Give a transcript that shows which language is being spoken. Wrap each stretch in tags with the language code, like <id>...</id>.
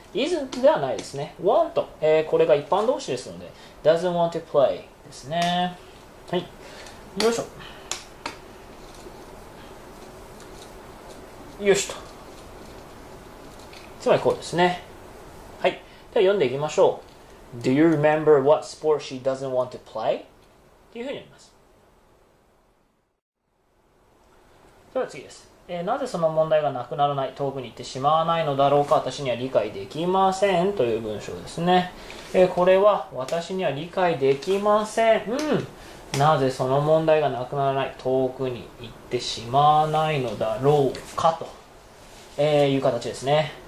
<ja>isn't ではないですね。want、これが一般動詞ですので、doesn't want to play ですね。はい。よいしょ。よしと。つまりこうですね。はい。では読んでいきましょう。</ja> <en>Do you remember what sport she doesn't want to play?</en> <ja>というふうに言います。では次です。なぜその問題がなくならない、遠くに行ってしまわないのだろうか、私には理解できませんという文章ですね。これは私には理解できません。なぜその問題がなくならない、遠くに行ってしまわないのだろうかという形ですね。</ja>